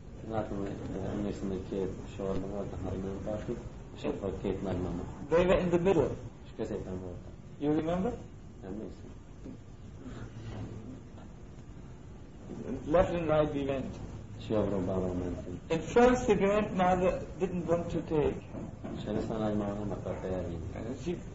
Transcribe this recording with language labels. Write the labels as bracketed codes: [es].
[hu] Látom, hogy emlékszem, hogy két sorban volt a három nagy pápi, és ott volt két nagymama. [en] They were in the middle. [hu] És középen voltam. [en] You remember? [hu] Emlékszem. [en] Left and right we went. [hu] És jobbra-balra mentünk. [en] In front the grandmother didn't want to take. [hu] És ezt a nagymama nem akarta elvinni.